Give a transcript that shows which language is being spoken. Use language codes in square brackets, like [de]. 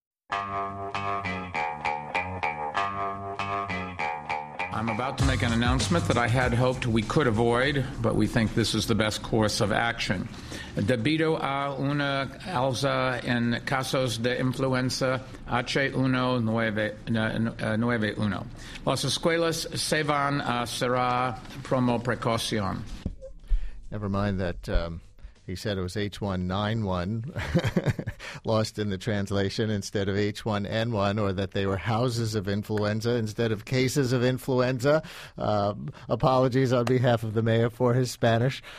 [en] I'm about to make an announcement that I had hoped we could avoid, but we think this is the best course of action. [es] Debido a una alza en casos de influenza H1N1, las escuelas se van a cerrar promo precaución. [en] Never mind that he said it was H1N1, lost in the translation, instead of H1N1, or that they were houses of influenza instead of cases of influenza. Apologies on behalf of the mayor for his Spanish.